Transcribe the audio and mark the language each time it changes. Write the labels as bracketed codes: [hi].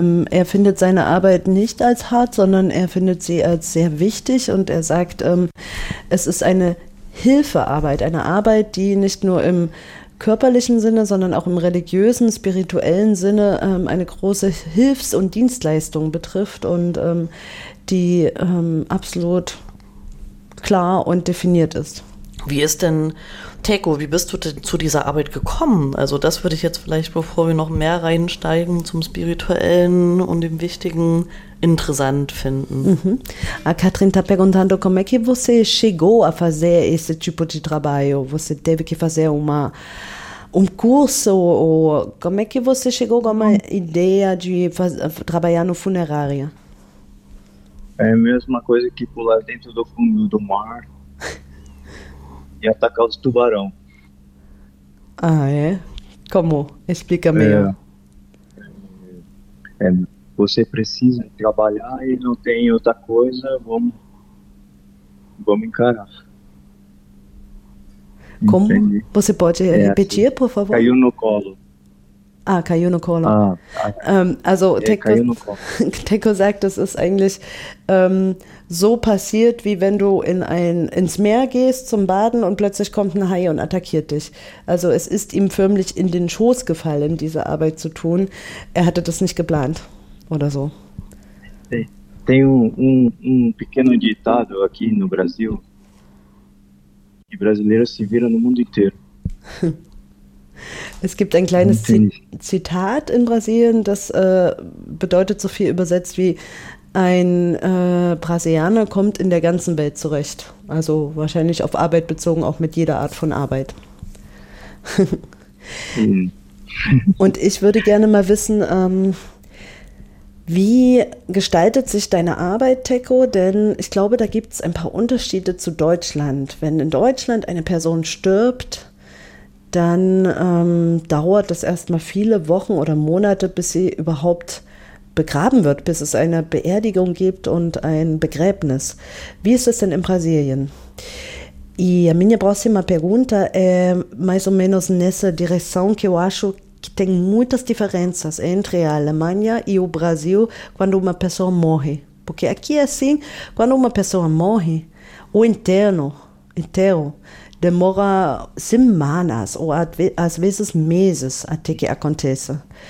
[de] Er findet seine Arbeit nicht als hart, sondern er findet sie als sehr wichtig und er sagt, es ist eine Hilfearbeit, eine Arbeit, die nicht nur im körperlichen Sinne, sondern auch im religiösen, spirituellen Sinne eine große Hilfs- und Dienstleistung betrifft und die absolut klar und definiert ist. Wie ist denn, Teco, wie bist du denn zu dieser Arbeit gekommen? Also das würde ich jetzt vielleicht, bevor wir noch mehr reinsteigen, zum Spirituellen und dem Wichtigen interessant finden. [pt] Uh-huh. A Catrine está perguntando como é que você chegou a fazer esse tipo de trabalho? Você teve que fazer um curso? Ou como é que você chegou com uma ideia de trabalhar no funerário? É a mesma coisa que pular dentro do fundo do mar. E atacar os tubarão. Ah, é? Como? Explica melhor. Você precisa trabalhar e não tem outra coisa, vamos encarar. Como? Entendi. Você pode repetir, assim, por favor? Caiu no colo. Ah, caiu no colo. [de] Also, Teco sagt, das ist eigentlich so passiert, wie wenn du ins Meer gehst zum Baden und plötzlich kommt ein Hai und attackiert dich. Also es ist ihm förmlich in den Schoß gefallen, diese Arbeit zu tun. Er hatte das nicht geplant oder so. [pt] Tem um pequeno ditado aqui no Brasil, que brasileiro se vira no mundo inteiro. [de] Es gibt ein kleines Zitat in Brasilien, das bedeutet so viel übersetzt wie ein Brasilianer kommt in der ganzen Welt zurecht. Also wahrscheinlich auf Arbeit bezogen, auch mit jeder Art von Arbeit. Und ich würde gerne mal wissen, wie gestaltet sich deine Arbeit, Teco? Denn ich glaube, da gibt es ein paar Unterschiede zu Deutschland. Wenn in Deutschland eine Person stirbt, dann dauert das erstmal viele Wochen oder Monate, bis sie überhaupt begraben wird, bis es eine Beerdigung gibt und ein Begräbnis. Wie ist das denn in Brasilien? [pt] E a minha próxima pergunta é mais ou menos nessa direção, que eu acho que tem muitas diferenças entre a Alemanha e o Brasil quando uma pessoa morre. Porque aqui é assim, quando uma pessoa morre, o enterro, demora semanas ou às vezes meses até que aconteça.